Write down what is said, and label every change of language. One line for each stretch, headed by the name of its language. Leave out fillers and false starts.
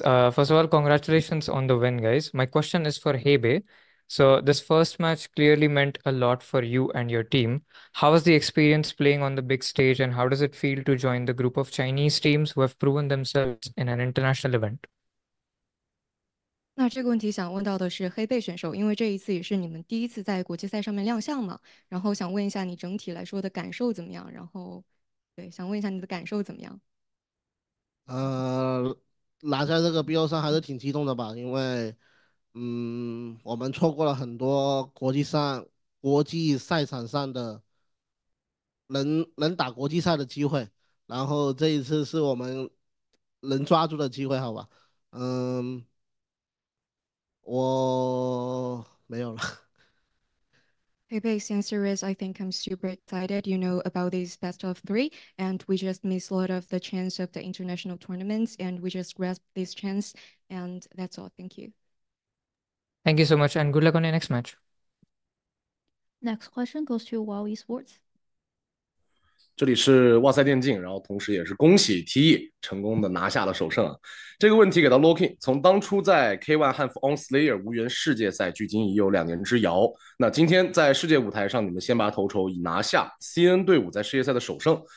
English: First of all, congratulations on the win, guys. My question is for Hebe. So this first match clearly meant a lot for you and your team. How was the experience playing on the big stage, and how does it feel to join the group of Chinese teams who have proven themselves in an international event?
Chinese: 那这个问题想问到的是黑贝选手，因为这一次也是你们第一次在国际赛上面亮相嘛，然后想问一下你整体来说的感受怎么样？然后，对，想问一下你的感受怎么样？拿下这个 BO3 还是挺激动的吧，因为，我们错过了很多国际赛场上的能打国际赛的机会，然后这一次是我们能抓住的机会，好吧，我没有了。
English: Hey, Bay, since there is, I think I'm super excited, you know, about these best of three. And we just missed a lot of the chance of the international tournaments, and we just grasped this chance. And that's all. Thank you. Thank you so much, and good luck on your next match. Next question goes to WoW Esports.
Chinese: 这里是哇塞电竞，然后同时也是恭喜 TE 成功的拿下了首胜。这个问题给到 Locking，从当初在 K1 和 Onslayer 无缘世界赛，距今已有2年之遥。那今天在世界舞台上，你们先拔头筹，已拿下 CN 队伍在世界赛的首胜。